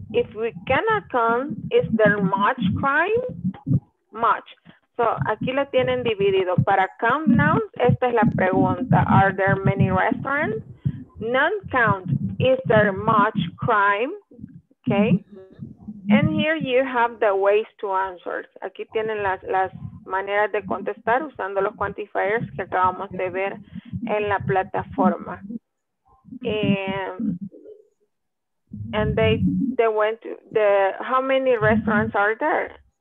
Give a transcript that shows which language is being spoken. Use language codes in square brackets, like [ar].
[en] If we cannot count, is there much crime? [es] Much. So, aquí lo tienen dividido. Para count nouns, esta es la pregunta. [en] Are there many restaurants? Non-count, is there much crime? Okay. And here you have the ways to answer. [es] Aquí tienen las maneras de contestar usando los quantifiers que acabamos de ver en la plataforma. [en] And they went to the, how many restaurants are there?